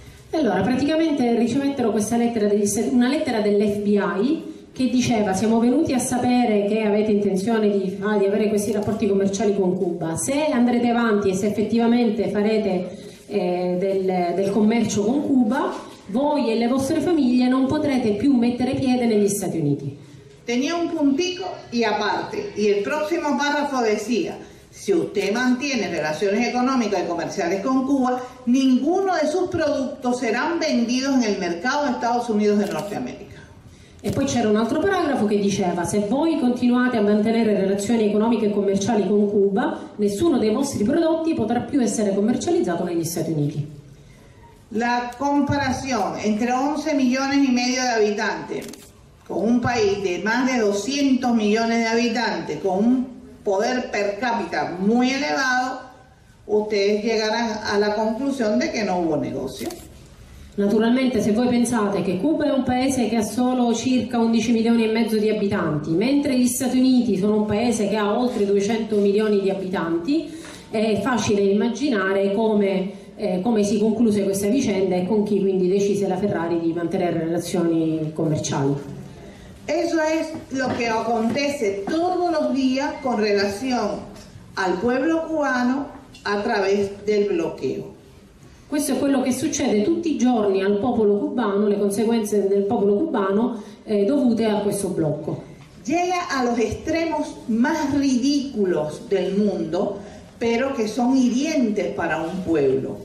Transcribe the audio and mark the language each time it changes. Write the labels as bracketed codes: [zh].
[it] Allora, praticamente ricevettero questa lettera, una lettera dell'FBI che diceva: siamo venuti a sapere che avete intenzione di avere questi rapporti commerciali con Cuba. Se andrete avanti e se effettivamente farete del commercio con Cuba, voi e le vostre famiglie non potrete più mettere piede negli Stati Uniti. [es] Tenía un puntico y aparte, y el próximo párrafo decía: si usted mantiene relaciones económicas y comerciales con Cuba, ninguno de sus productos serán vendidos en el mercado de Estados Unidos de Norteamérica. [it] E poi c'era un altro paragrafo che diceva: se voi continuate a mantenere relazioni economiche e commerciali con Cuba, nessuno dei vostri prodotti potrà più essere commercializzato negli Stati Uniti. [es] La comparación entre 11 millones y medio de habitantes con un país de más de 200 millones de habitantes, con un poder per cápita muy elevado, ustedes llegarán a la conclusión de que no hubo negocio. [it] Naturalmente, se voi pensate che Cuba è un paese che ha solo circa 11 milioni e mezzo di abitanti, mentre gli Stati Uniti sono un paese che ha oltre 200 milioni di abitanti, è facile immaginare come si concluse questa vicenda e con chi quindi decise la Ferrari di mantenere relazioni commerciali. [es] Eso es lo que acontece todos los días con relación al pueblo cubano a través del bloqueo. [it] Questo è quello che succede tutti i giorni al popolo cubano, le conseguenze del popolo cubano dovute a questo blocco. [es] Llega a los extremos más ridículos del mundo, pero que son hirientes para un pueblo.